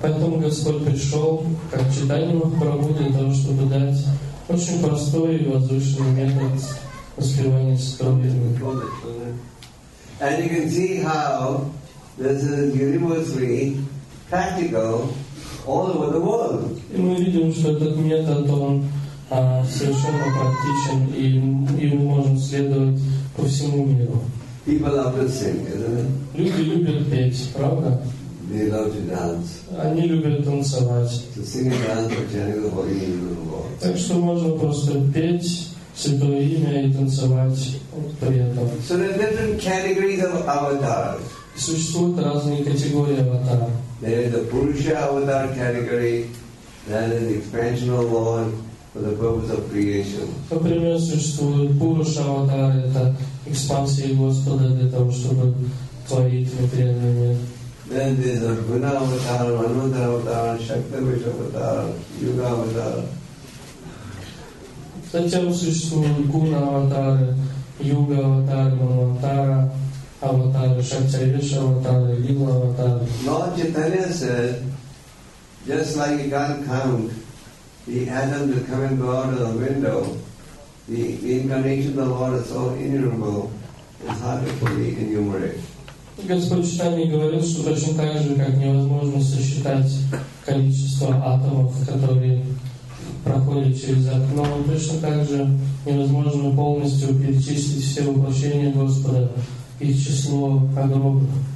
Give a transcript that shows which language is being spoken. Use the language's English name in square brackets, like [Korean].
[Russian] Поэтому Господь пришел, как Чайтанья Махапрабху, для того, чтобы дать очень простой и возвышенный метод воспевания Святого Имени. [English] And you can see how this is universally practical all over the world. [Russian] И мы видим, что этот метод он совершенно практичен, и его можно следовать по всему миру. [English] People love to sing, isn't it? [Russian] Люди любят петь, правда? [English] They love to dance. [Russian] Они любят танцевать. [English] To sing and dance for chanting the holy name of the Lord. [Russian] Так что можно просто петь Святое Имя и танцевать при этом. [English] So there are different categories of avatars. [Russian] Существуют разные категории аватара. [English] There is the Purusha avatar category, that is the expansional Lord for the purpose of creation. [Russian] Например, существует Пуруша аватар, это экспансия Господа для того, чтобы творить материальный мир. [English] Then there is Arjuna avatar, Hanumantara avatar, Shaktivisha avatar, Yuga avatar. [Russian] Затем существуют гуна аватары, юга аватары, манватара аватары, шакчайвиша аватары, лила аватары. [English] Lord Chaitanya said, just like you can't count the atoms that come and go out of the window, the incarnation of the Lord is so innumerable, it's hard to fully enumerate. [Russian] Господь Чайтанья говорил, что точно так же, как невозможно сосчитать количество атомов, которые проходит через окно, но точно так же невозможно полностью перечислить все воплощения Господа и число огромных.